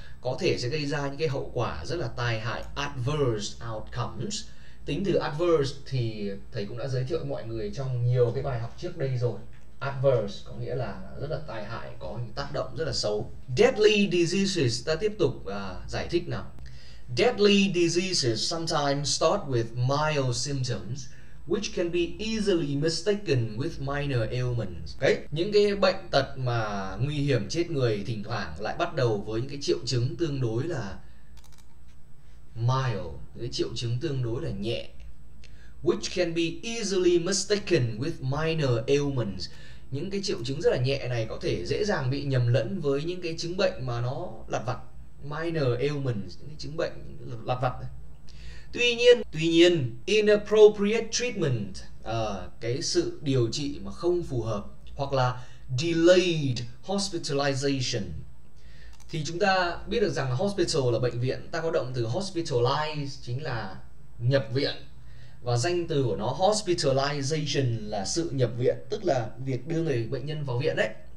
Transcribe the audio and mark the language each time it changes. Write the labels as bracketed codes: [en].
[vi] có thể sẽ gây ra những cái hậu quả rất là tai hại, [en] adverse outcomes. [vi] Tính từ adverse thì thầy cũng đã giới thiệu với mọi người trong nhiều cái bài học trước đây rồi. Adverse có nghĩa là rất là tai hại, có những tác động rất là xấu. [en] Deadly diseases, [vi] ta tiếp tục giải thích nào. [en] Deadly diseases sometimes start with mild symptoms, which can be easily mistaken with minor ailments. [vi] Đấy, những cái bệnh tật mà nguy hiểm chết người thỉnh thoảng lại bắt đầu với những cái triệu chứng tương đối là mild, cái triệu chứng tương đối là nhẹ. [en] Which can be easily mistaken with minor ailments. [vi] Những cái triệu chứng rất là nhẹ này có thể dễ dàng bị nhầm lẫn với những cái chứng bệnh mà nó lặt vặt. [en] Minor ailments, [vi] những cái chứng bệnh lặt vặt. Tuy nhiên, [en] inappropriate treatment, [vi] cái sự điều trị mà không phù hợp hoặc là [en] delayed hospitalization, [vi] thì chúng ta biết được rằng hospital là bệnh viện, ta có động từ hospitalize chính là nhập viện, và danh từ của nó hospitalization là sự nhập viện, tức là việc đưa người bệnh nhân vào viện đấy.